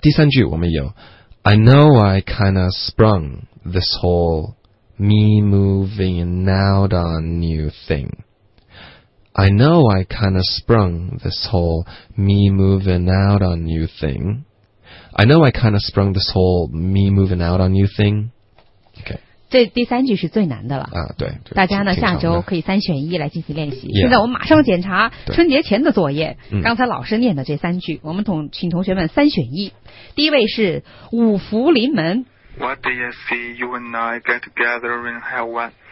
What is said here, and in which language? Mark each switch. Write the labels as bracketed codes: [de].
[zh] 第三句我们有 [en] I know I kinda sprung this whole me moving out on new thing。 I know I kind of sprung this whole me moving out on you thing. I know I kind of sprung this whole me moving out on you thing. Okay. [zh] 这第三句是最难的了。啊，对。大家呢，下周可以三选一来进行练习。现在我们马上检查春节前的作业。刚才老师念的这三句，我们请同学们三选一。第一位是五福临门。 [en] What do you see? You and I get together and have one.